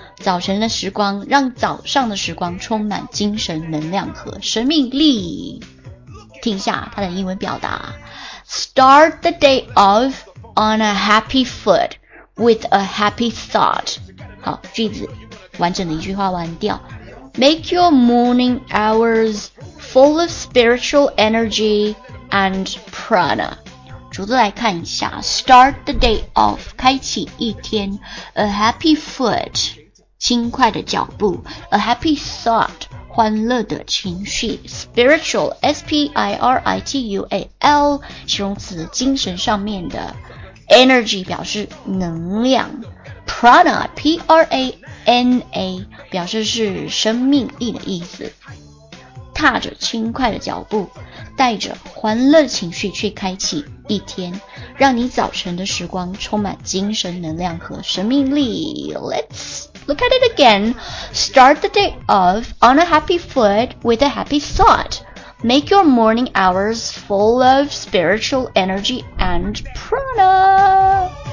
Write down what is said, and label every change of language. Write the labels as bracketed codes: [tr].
[zh] 早晨的时光让早上的时光充满精神能量和生命力。听一下他的英文表达， [en] Start the day off on a happy foot with a happy thought。 [zh] 好，句子完整的一句话完掉。 [en] Make your morning hoursfull of spiritual energy and prana. [zh] 逐字来看一下， [en] start the day off, [zh] 开启一天， [en] a happy foot, [zh] 轻快的脚步， [en] a happy thought, [zh] 欢乐的情绪， spiritual, spiritual, 形容词精神上面的， energy 表示能量， prana, p-r-a-n-a, 表示是生命力的意思。踏着轻快的脚步，带着欢乐情绪去开启一天，让你早晨的时光充满精神能量和生命力。 [en] Let's look at it again. Start the day off on a happy foot with a happy thought. Make your morning hours full of spiritual energy and prana.